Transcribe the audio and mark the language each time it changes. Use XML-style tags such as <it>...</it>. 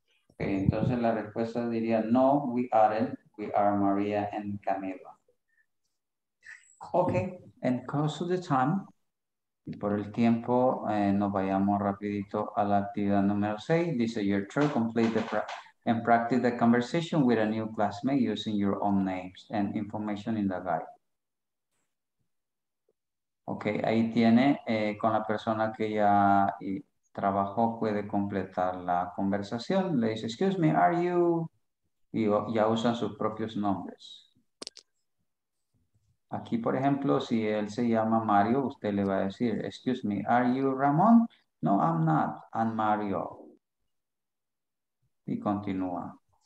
<en>Okay,</en> <es>entonces la respuesta diría no,</es> <en>we aren't. We are María and Camila. Okay, and close to the time.</en> <es>Y por el tiempo, nos vayamos rapidito a la actividad número 6.</es> <en>Dice, your turn, complete the and practice the conversation with a new classmate using your own names and information in the guide.</en> <es>Ok, ahí tiene, con la persona que ya trabajó, puede completar la conversación. Le dice,</es> <en>excuse me, are you?</en> <es>Y ya usan sus propios nombres. Aquí, por ejemplo, si él se llama Mario, usted le va a decir,</es> <en>excuse me, are you Ramón? No, I'm not. I'm Mario.</en> <es>Y continúa.</es>